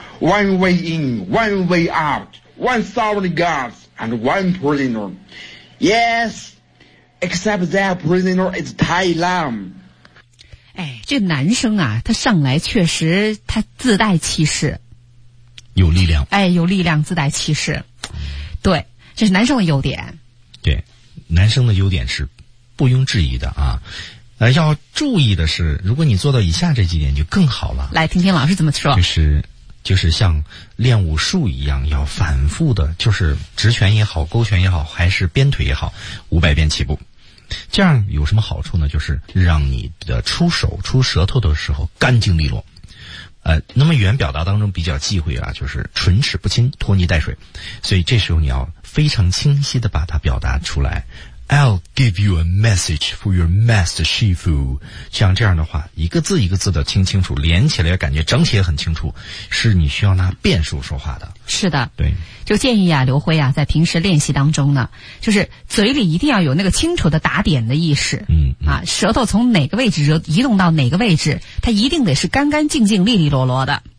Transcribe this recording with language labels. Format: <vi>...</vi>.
<en>One way in, one way out, 1,000 guards and one prisoner. Yes, except that prisoner is Tai Lam.</en> <zh>哎，这男生啊，他上来确实他自带气势，有力量。哎，有力量，自带气势。对，这是男生的优点。对，男生的优点是不庸置疑的啊。要注意的是，如果你做到以下这几点就更好了。来听听老师怎么说。就是像练武术一样，要反复的，就是直拳也好，勾拳也好，还是鞭腿也好，500遍起步。这样有什么好处呢？就是让你的出手出舌头的时候干净利落。那么语言表达当中比较忌讳啊，就是唇齿不清，拖泥带水。所以这时候你要非常清晰的把它表达出来。</zh> <en>I'll give you a message for your master Shifu.</en> <zh>像这样的话，一个字一个字的听清楚，连起来感觉整体也很清楚，是你需要拿变数说话的。是的，对。就建议啊，刘辉啊，在平时练习当中呢，就是嘴里一定要有那个清楚的打点的意识。嗯。啊，舌头从哪个位置移动到哪个位置，它一定得是干干净净、利利落落的。</zh>